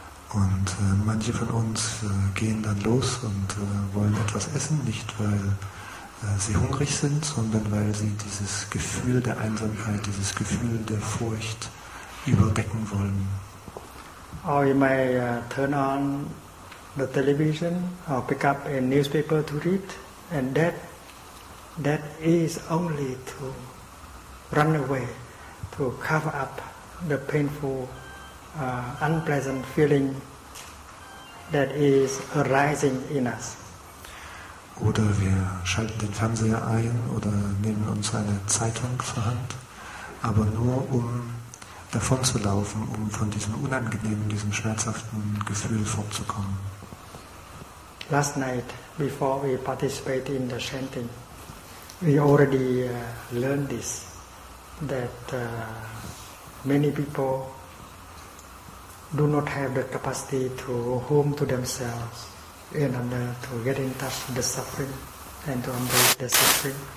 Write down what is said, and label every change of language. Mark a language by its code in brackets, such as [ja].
[de] Und manche von uns gehen dann los und wollen etwas essen, nicht weil sie hungrig sind, sondern weil sie dieses Gefühl der Einsamkeit, dieses Gefühl der Furcht überdecken wollen. [en] Or you may turn on the television or pick up a newspaper to read, and that is only to run away, to cover up the painful, unpleasant feeling that is arising in us. [de] Oder wir schalten den Fernseher ein oder nehmen uns eine Zeitung zur Hand, aber nur um davonzulaufen, um von diesem unangenehmen, diesem schmerzhaften Gefühl fortzukommen. [en] Last night, before we participate in the chanting, we already learned this, that many people do not have the capacity to home to themselves in order to get in touch with the suffering and to embrace the suffering.